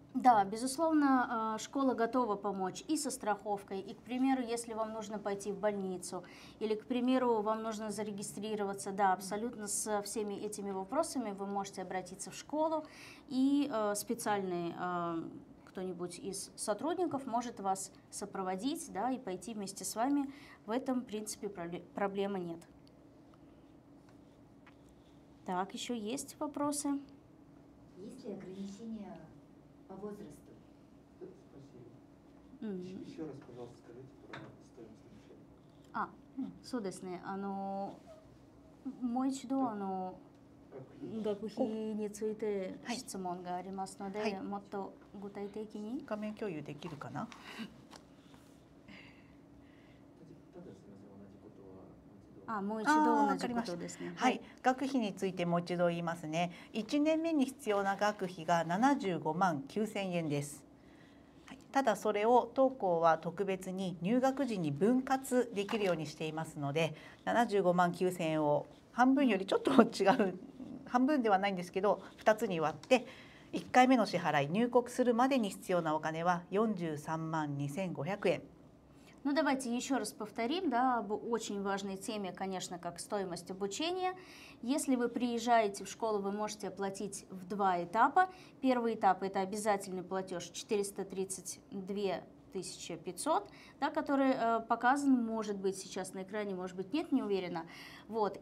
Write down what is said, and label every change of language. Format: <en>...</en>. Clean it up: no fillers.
<ru>Да, безусловно, школа готова помочь и со страховкой, и, к примеру, если вам нужно пойти в больницу, или, к примеру, вам нужно зарегистрироваться, да, абсолютно со всеми этими вопросами вы можете обратиться в школу, и специальный кто-нибудь из сотрудников может вас сопроводить, да, и пойти вместе с вами. В этом, в принципе, проблемы нет. Так, еще есть вопросы? Есть ли ограничения... возрасту. Спасибо. Еще раз, пожалуйста, скажите про стоимость обучения.</ru> <ja>А, そうですね.Ано もう一度あの学費について質問がありますので、もっと具体的に画面共有できるかな。はい、学費についてもう一度言いますね。 1年目に必要な学費が75万9千円です。ただそれを当校は特別に入学時に分割できるようにしていますので、75万9千円を半分よりちょっと違う、半分ではないんですけど、2つに割って、1回目の支払い、入国するまでに必要なお金は43万2500円。</ja> <ru>Ну, давайте еще раз повторим, да, об очень важной теме, конечно, как стоимость обучения. Если вы приезжаете в школу, вы можете оплатить в два этапа. Первый этап – это обязательный платеж 432 500, да, который показан, может быть, сейчас на экране, может быть, нет, не уверена. Вот.</ru>